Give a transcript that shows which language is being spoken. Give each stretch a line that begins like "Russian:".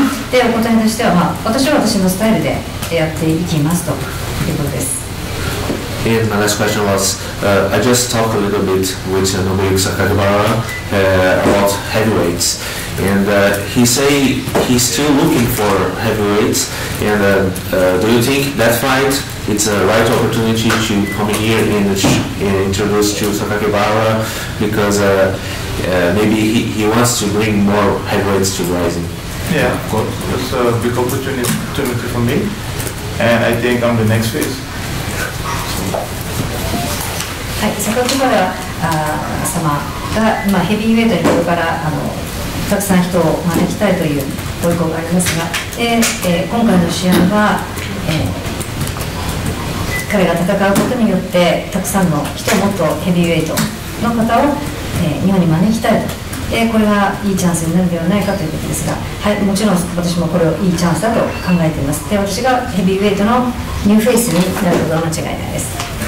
Japanese: で、お答えとしては、まあ、私は私のスタイルでやっていきますということです。
English: And my last question was, I just talked a little bit with Nobuyuki Sakakibara about heavyweights, and he say he's still looking for heavyweights, and do you think that fight, it's a right opportunity to come here and introduce to Sakakibara, because maybe he wants to bring more heavyweights to Rising? Yeah, it's a big opportunity for me, and I think I'm the next phase.
Japanese: はい、榊原様が、まあ、ヘビーウェイトにこれからたくさん人を招きたいというご意向がありますが、今回の試合は、彼が戦うことによってたくさんの人をもっとヘビーウェイトの方を、日本に招きたいと、これがいいチャンスになるのではないかということですが、はい、もちろん私もこれをいいチャンスだと考えています。で、私がヘビーウェイトのニューフェイスになることは間違いないです。